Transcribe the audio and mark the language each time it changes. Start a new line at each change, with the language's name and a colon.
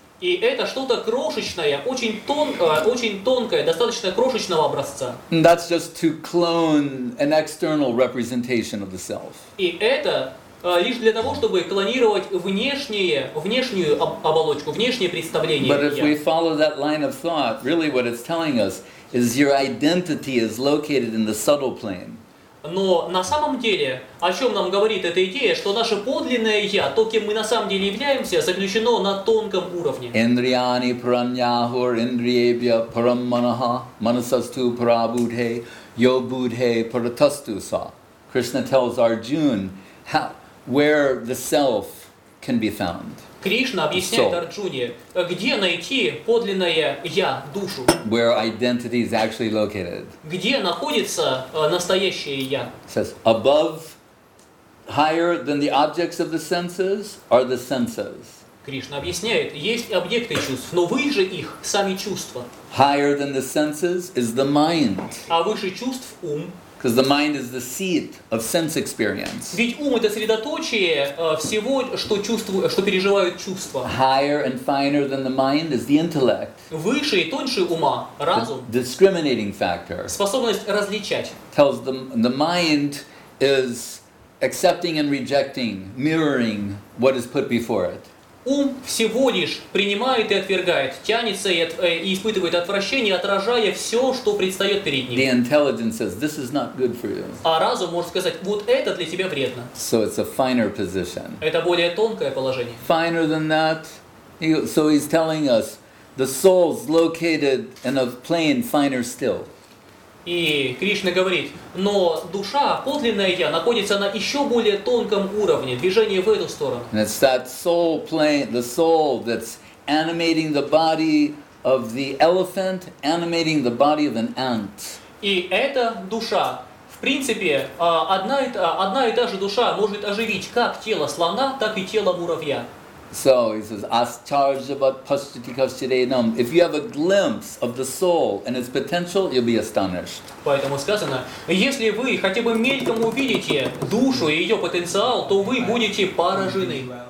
Russian: И это что-то крошечное, очень тонкое, достаточно крошечного образца.
English: And that's just to clone an external representation of the self.
Russian: И это лишь для того, чтобы клонировать внешнюю оболочку, внешнее представление.
English: But if we follow that line of thought, really what it's telling us is your identity is located in the subtle plane.
Russian: Но на самом деле, о чем нам говорит эта идея, что наше подлинное я, то, кем мы на самом деле являемся, заключено на тонком уровне.
Sanskrit: Индрияни праньяхур индриебья параммана манасасту парабудхе йобудхе паратасту са.
English: Krishna tells Arjuna how where the self can be found.
Russian: Кришна объясняет Арджуне, где найти подлинное я, душу.
English: Where identity is actually located.
Russian: Где находится настоящее я?
English: Says above, higher than the objects of the senses are the senses.
Russian: Кришна объясняет, есть объекты чувств, но выше их сами чувства.
English: Higher than the senses is the mind.
Russian: А выше чувств ум.
English: Because the mind is the seat of sense experience.
Russian: Ведь ум это средоточие всего, что чувствую, что переживают чувства.
English: Higher and finer than the mind is the intellect.
Russian: Выше и тоньше ума, разум.
English: The discriminating factor.
Russian: Способность различать.
English: Tells the mind is accepting and rejecting, mirroring what is put before it.
Russian: Ум всего лишь принимает и отвергает, тянется и испытывает отвращение, отражая все, что предстает перед ним.
English: The intelligence says, this is not good for you.
Russian: А разум может сказать, вот это для тебя вредно.
English: So it's a finer position.
Russian: Это более тонкое положение.
English: Finer than that. So he's telling us, the soul's located in a plane finer still.
Russian: И Кришна говорит, но душа, подлинное я, находится на еще более тонком уровне, движение в эту сторону.
English: And it's that soul plane, the soul that's animating the body of the elephant, animating the body of an ant.
Russian: И эта душа, в принципе, одна и та же душа может оживить как тело слона, так и тело муравья.
English: So he says,
Sanskrit: Ascharjabat Pashtitikashtirenam.
English: If you have a glimpse of the soul and its potential, you'll be astonished.
Russian: Поэтому сказано, если вы хотя бы мельком увидите душу и ее потенциал, то вы будете поражены.